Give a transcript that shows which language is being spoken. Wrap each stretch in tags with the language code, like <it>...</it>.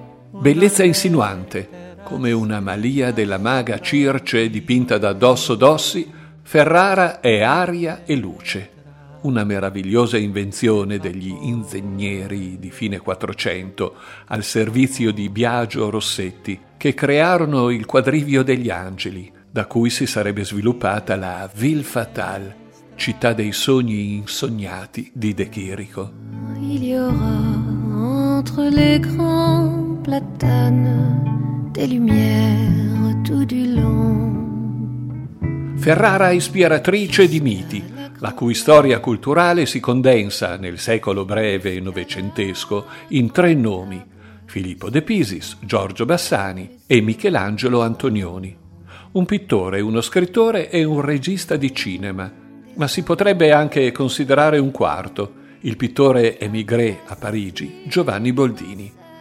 <it>Bellezza insinuante, come una malia della maga Circe dipinta da Dosso Dossi, Ferrara è aria e luce, una meravigliosa invenzione degli insegneri di fine 400 al servizio di Biagio Rossetti, che crearono il quadrivio degli angeli, da cui si sarebbe sviluppata la Ville Fatale, città dei sogni insognati di De Chirico.</it> <fr>Il y aura entre les grands platanes des lumières tout du long.</fr> <it>Ferrara ispiratrice di miti, la cui storia culturale si condensa nel secolo breve novecentesco in tre nomi: Filippo de Pisis, Giorgio Bassani e Michelangelo Antonioni. Un pittore, uno scrittore e un regista di cinema, ma si potrebbe anche considerare un quarto, il pittore émigré a Parigi, Giovanni Boldini.</it>